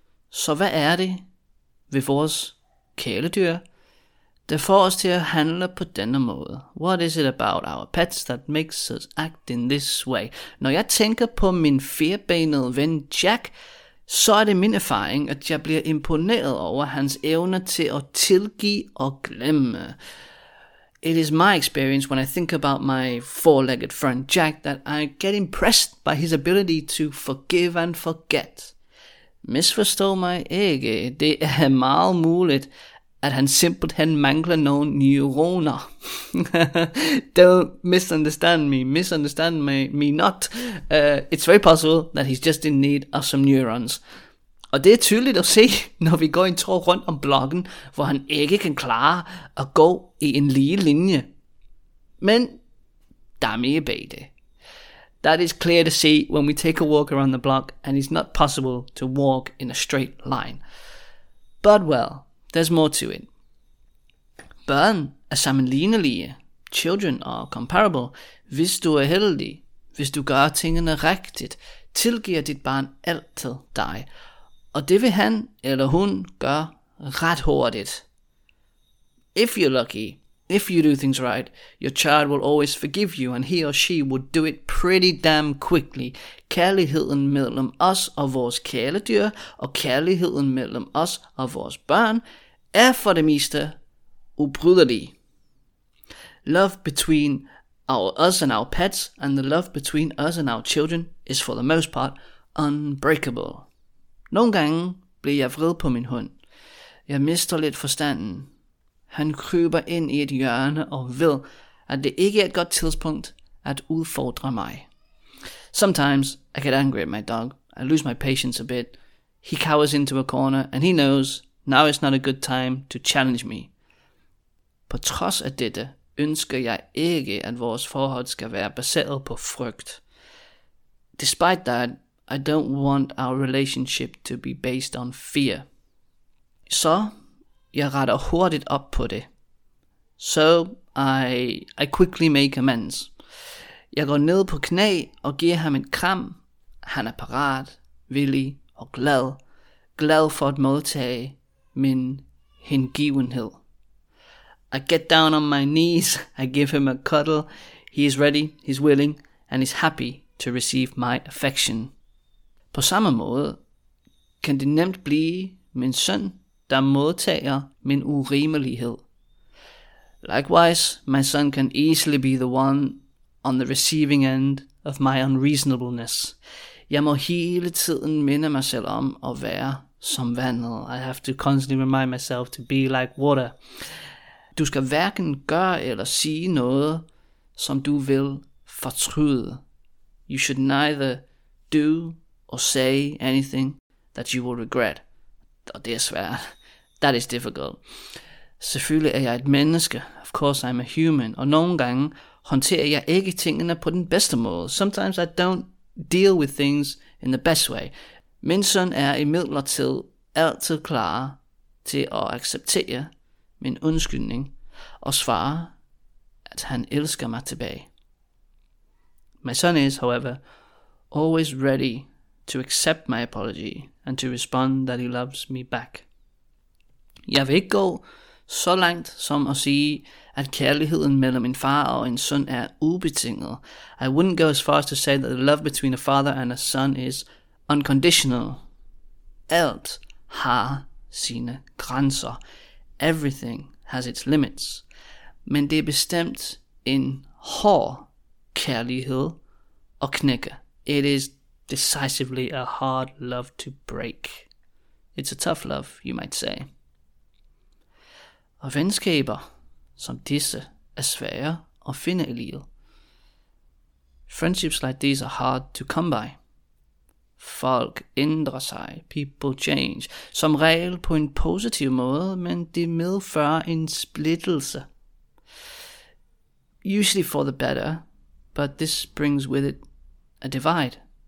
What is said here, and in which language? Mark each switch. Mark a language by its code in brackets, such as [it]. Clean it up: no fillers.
[da] Så hvad er det ved vores kæledyr, der får os til at handle på denne måde? [en] What is it about our pets that makes us act in this way? [da] Når jeg tænker på min firbenede ven Jack, så er det min erfaring, at jeg bliver imponeret over hans evne til at tilgive og glemme. [en] It is my experience when I think about my four-legged friend Jack that I get impressed by his ability to forgive and forget. [da] Misforstå mig ikke, det er meget muligt, at han simpelthen mangler nogle neuroner. [en] Don't misunderstand me, not. It's very possible that he's just in need of some neurons. [da] Og det er tydeligt at se, når vi går en tur rundt om blokken, hvor han ikke kan klare at gå i en lige linje. Men der er mere bag det. [en] That is clear to see when we take a walk around the block and it's not possible to walk in a straight line. But well, there's more to it. [da] Børn er sammenlignelige. [en] Children are comparable. [da] Hvis du er heldig, hvis du gør tingene rigtigt, tilgiver dit barn altid dig. Og det vil han eller hun gøre ret hurtigt. [en] If you're lucky, if you do things right, your child will always forgive you, and he or she will do it pretty damn quickly. [da] Kærligheden mellem os og vores kæledyr, og kærligheden mellem os og vores børn, er for det meste ubrydelige. [en] Love between us and our pets and the love between us and our children is for the most part unbreakable. [da] Nogle gange bliver jeg vred på min hund. Jeg mister lidt forstanden. Han kryber ind i et hjørne og ved, at det ikke er et godt tidspunkt at udfordre mig. [en] Sometimes I get angry at my dog. I lose my patience a bit. He cowers into a corner and he knows now is not a good time to challenge me. [da] På trods af dette ønsker jeg ikke, at vores forhold skal være baseret på frygt. [en] Despite that, I don't want our relationship to be based on fear. [da] Så jeg retter hurtigt op på det. [en] So I quickly make amends. [da] Jeg går ned på knæ og giver ham en kram. Han er parat, villig og glad. Glad for at modtage min hengivenhed. [en] I get down on my knees. I give him a cuddle. He is ready, he's willing, and he's happy to receive my affection. [da] På samme måde kan det nemt blive min søn, der modtager min urimelighed. [en] Likewise, my son can easily be the one on the receiving end of my unreasonableness. [da] Jeg må hele tiden minde mig selv om at være som vandet. [en] I have to constantly remind myself to be like water. [da] Du skal hverken gøre eller sige noget, som du vil fortryde. [en] You should neither do or say anything that you will regret. [da] Og det er svært. [en] That is difficult. [da] Selvfølgelig er jeg et menneske. [en] Of course I'm a human. [da] Og nogle gange håndterer jeg ikke tingene på den bedste måde. [en] Sometimes I don't deal with things in the best way. [da] Min søn er imidlertid altid klar til at acceptere min undskyldning og svare, at han elsker mig tilbage. [en] My son is, however, always ready to accept my apology and to respond that he loves me back. [da] Jeg vil ikke gå så langt som at sige, at kærligheden mellem en far og en søn er ubetinget. [en] I wouldn't go as far as to say that the love between a father and a son is unconditional. [da] Alt har sine grænser. [en] Everything has its limits. [da] Men det er bestemt en hård kærlighed at knække. [en] It is decisively a hard love to break. It's a tough love, you might say. [da] Og venskaber som disse er svære at finde i livet. [en] Friendships like these are hard to come by. [da] Folk ændrer sig. [en] People change. [da] Som regel på en positiv måde, men det medfører en splittelse. [en] Usually for the better, but this brings with it a divide.